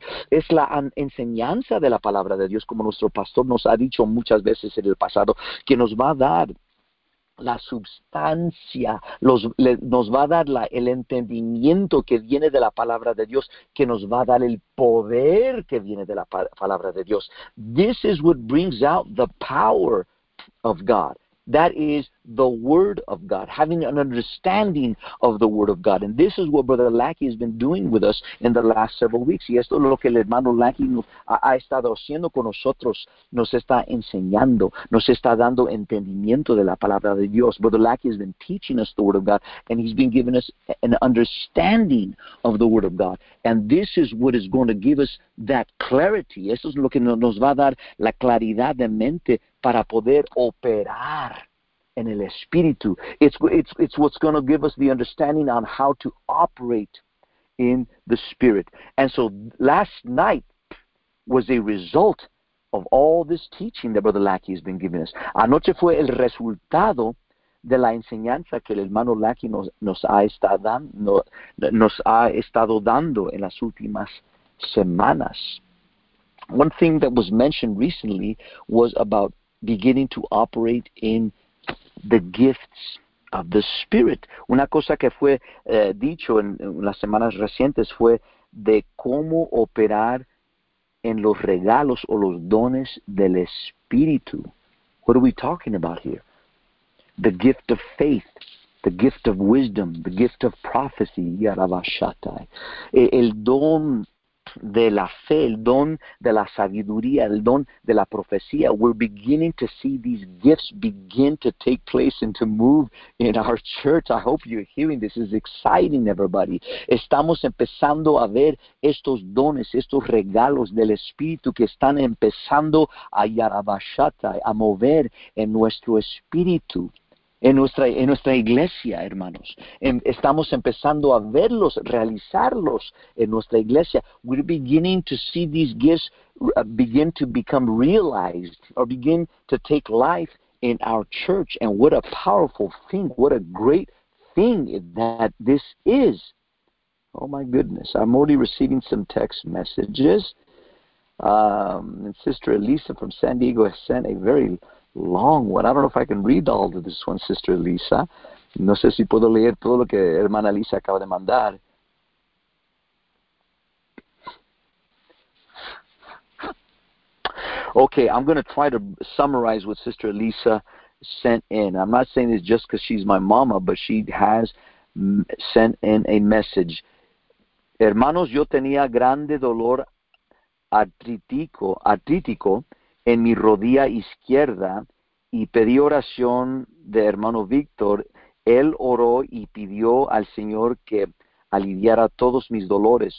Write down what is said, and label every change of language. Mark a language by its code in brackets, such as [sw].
[es] Es la enseñanza de la palabra de Dios, como nuestro pastor nos ha dicho muchas veces en el pasado, que nos va a dar la substancia, nos va a dar el entendimiento que viene de la palabra de Dios, que nos va a dar el poder que viene de la palabra de Dios. [en] This is what brings out the power of God. That is the Word of God, having an understanding of the Word of God. And this is what Brother Lackey has been doing with us in the last several weeks. [es] Y esto es lo que el hermano Lackey ha estado haciendo con nosotros. Nos está enseñando, nos está dando entendimiento de la palabra de Dios. [en] Brother Lackey has been teaching us the Word of God, and he's been giving us an understanding of the Word of God. And this is what is going to give us that clarity. [es] Esto es lo que nos va a dar la claridad de mente para poder operar en el espíritu. [en] It's what's going to give us the understanding on how to operate in the spirit. And so last night was a result of all this teaching that Brother Lackey has been giving us. [es] Anoche fue el resultado de la enseñanza que el hermano Lackey nos ha estado dando en las últimas semanas. [en] One thing that was mentioned recently was about beginning to operate in the gifts of the Spirit. [es] Una cosa que fue dicho en las semanas recientes fue de cómo operar en los regalos o los dones del Espíritu. [en] What are we talking about here? The gift of faith, the gift of wisdom, the gift of prophecy, yarabashatai. [es] El don de la fe, el don de la sabiduría, el don de la profecía. [en] We're beginning to see these gifts begin to take place and to move in our church. I hope you're hearing this. This is exciting, everybody. [es] Estamos empezando a ver estos dones, estos regalos del Espíritu que están empezando a yarabashata, a mover en nuestro espíritu. En nuestra iglesia, hermanos. Estamos empezando a verlos, realizarlos en nuestra iglesia. [en] We're beginning to see these gifts begin to become realized or begin to take life in our church. And what a powerful thing, what a great thing that this is. Oh my goodness, I'm already receiving some text messages. And Sister Elisa from San Diego has sent a very long one. I don't know if I can read all of this one, Sister Elisa. [es] No sé si puedo leer todo lo que hermana Elisa acaba de mandar. [en] Okay, I'm going to try to summarize what Sister Elisa sent in. I'm not saying this just because she's my mama, but she has sent in a message. [es] Hermanos, yo tenía grande dolor artrítico en mi rodilla izquierda. Y pedí oración de hermano Víctor. Él oró y pidió al Señor que aliviara todos mis dolores.